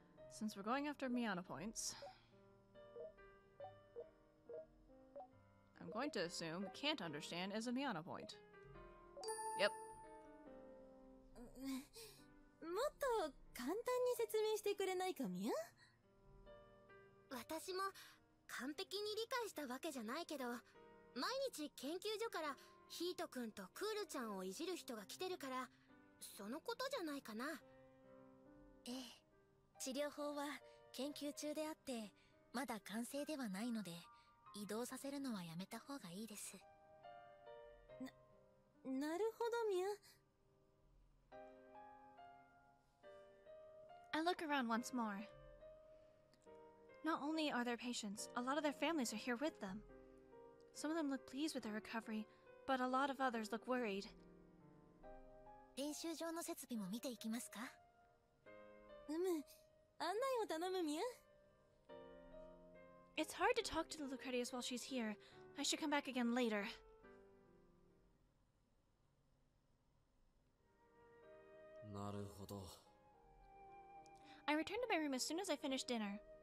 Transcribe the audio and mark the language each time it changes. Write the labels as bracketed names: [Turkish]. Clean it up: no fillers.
[English] Since we're going after Miana points, I'm going to assume can't understand is a Miana point. Yep. [Japanese] もっと簡単に説明してくれないかみゃ。私も完璧に理解したわけじゃないけど、毎日研究所からヒート君とクールちゃんをいじる人が来てるから。そのことじゃないかな。ええ、治療法は研究中であってまだ完成ではないので、移動させるのはやめた方がいいです。なるほどみゃ。 [English] I look around once more. Not only are there patients, a lot of their families are here with them. Some of them look pleased with their recovery, but a lot of others look worried. [Japanese] 練習場の設備も見ていきますか。うむ、案内を頼むミュ。 [English] It's hard to talk to the Lucretius while she's here. I should come back again later. [Japanese] なるほど。 [English] I returned to my room as soon as I finished dinner.